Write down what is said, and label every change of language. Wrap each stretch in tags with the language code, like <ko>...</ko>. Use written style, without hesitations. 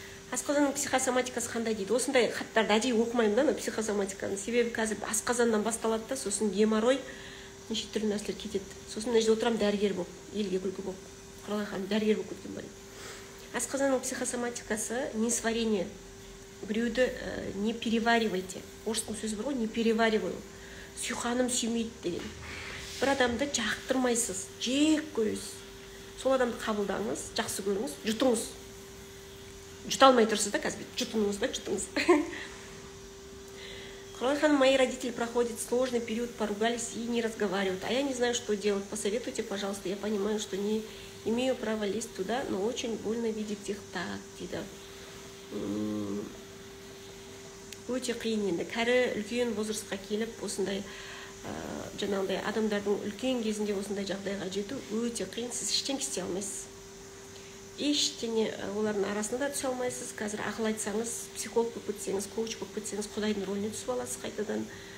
<kk>Асқазанның психосоматикасы қандай дейді? Осындай хаттарды әдейі оқымаймын да, психосоматиканы. Себебі қазір асқазаннан басталады да, сосын геморрой, неше түрлі нәрселер кетеді. Сосын мына жерде отырамын дәрігер болып, елге күлкі болып. Құралай ханым дәрігер болып кеткен бар. Асқазанның психосоматикасы несварение. Біреуді</kk> <ru>не переваривайте.</ru> <kk>Орыстың сөзі бар ғой,</kk> <ru>не перевариваю.</ru> <kk>Сүйханым сүймейді деген. Бір адамды жақтырмайсыз, жек көресіз. Сол адамды қабылдаңыз, жақсы көріңіз, жұтыңыз. Жұта алмай тұрсыз да, қазір жұтыңыз ба, жұтыңыз.</kk> <ru>Құралай ханым, мои родители проходят сложный период, поругались и не разговаривают. А я не знаю, что делать. Посоветуйте, пожалуйста. Я понимаю, что не имею права лезть туда, но очень больно видеть их так,</ru> <kk>дейді. Өте қиын енді. Кәрі үлкен возрастқа келіп, осындай жаңағындай адамдардың үлкен кезінде осындай жағдайға жету өте қиын. Сіз ештеңе істей алмайсыз. Ештеңе олардың арасында түсе алмайсыз. Қазір ақыл айтсаңыз, психолог болып кетсеңіз, коуч болып кетсеңіз, Құдайдың роліне түсіп аласыз қайтадан.</kk>